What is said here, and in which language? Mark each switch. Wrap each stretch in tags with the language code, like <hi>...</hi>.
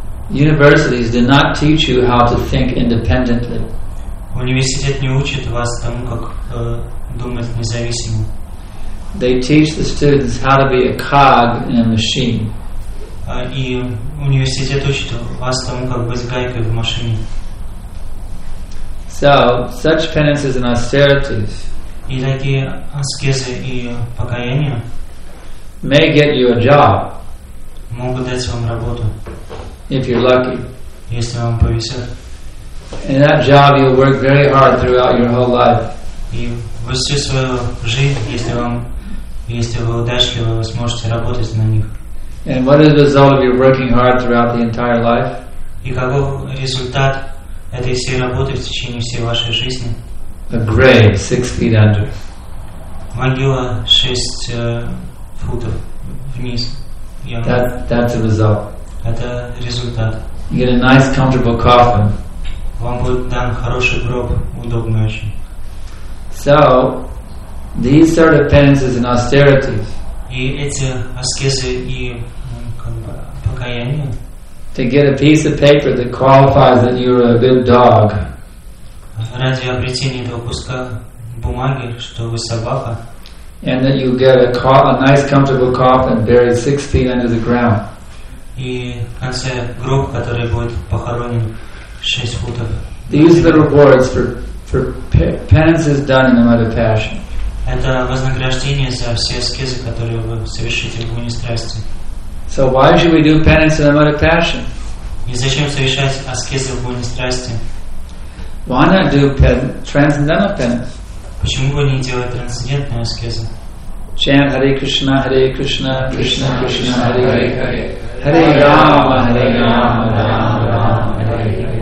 <en>Universities do not teach you how to think independently.</en> <ru>Университет не учит вас тому, как думать независимо.</ru> <en>They teach the students how to be a cog in a machine.</en> <ru>И университет учит вас тому, как быть гайкой в машине.</ru> <en>So, such penances and austerities</en> <ru>и такие аскезы и покаяния</ru> <en>may get you a job</en> <ru>могут дать вам работу,</ru> <en>if you're lucky.</en> <ru>Если вам повезет.</ru> <en>And that job you'll work very hard throughout your whole life.</en> <ru>И вы всю свою жизнь, если вам, если вы удачливы, вы сможете работать на них.</ru> <en>And what is the result of your working hard throughout the entire life?</en> <ru>И каков результат этой всей работы в течение всей вашей жизни?</ru> <en>A grave 6 feet under.</en> <ru>Могила 6 футов вниз.</ru> <en>That's the result.</en> <ru>Это результат.</ru> <en>You get a nice comfortable coffin.</en> <ru>Вам будет дан хороший гроб, удобный очень.</ru> <en>So, these sort of penances and austerities.</en> <ru>И эти аскезы и покаяния.</ru> <en>To get a piece of paper that qualifies that you're a good dog.</en> <ru>Ради обретения этого куска бумаги, что вы собака.</ru> <en>And that you get a nice comfortable coffin buried 6 feet under the ground.</en> <ru>И в конце гроб, который будет похоронен 6 футов.</ru> <en>These are the rewards for penances done in the mud of passion.</en> <ru>Это вознаграждение за все аскезы, которые вы совершите в гуне страсти.</ru> <en>So why should we do penance in the mud of passion?</en> <ru>И зачем совершать аскезы в гуне страсти?</ru> <en>Why not do transcendental penance?</en> <ru>Почему бы не делать трансцендентные аскезы?</ru> <en>Chant</en> <sa>Hare Krishna, Hare Krishna, Krishna Krishna, Hare Hare. Hare Rama, Hare Rama, Rama Rama, Hare Hare.</sa>